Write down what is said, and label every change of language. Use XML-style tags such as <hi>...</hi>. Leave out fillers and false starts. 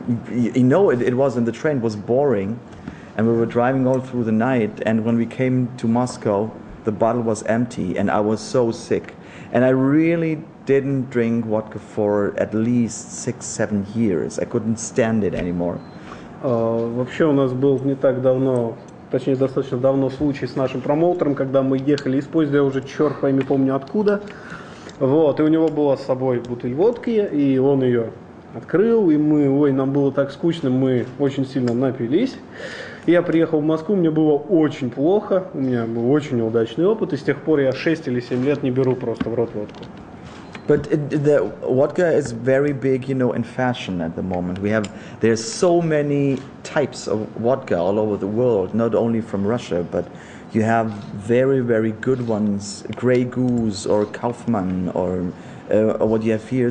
<en>You know, it was in the train, it was boring, and we were driving all through the night, and when we came to Moscow, the bottle was empty, and I was so sick. And I really didn't drink vodka for at least 6-7 years. I couldn't stand it anymore.</en> <ru>Вообще у нас был не так давно, точнее достаточно давно случай с нашим промоутером, когда мы ехали из поезда, я уже черт пойми помню откуда. Вот, и у него была с собой бутыль водки, и он ее открыл, и мы, ой, нам было так скучно, мы очень сильно напились. Я приехал в Москву, мне было очень плохо, у меня был очень неудачный опыт, и с тех пор я 6 или 7 лет не беру просто в рот водку.</ru> <en>But the vodka is very big, you know, in fashion at the moment. There's so many types of vodka all over the world, not only from Russia, but you have very, very good ones, Grey Goose or Kaufmann or what you have here.</en>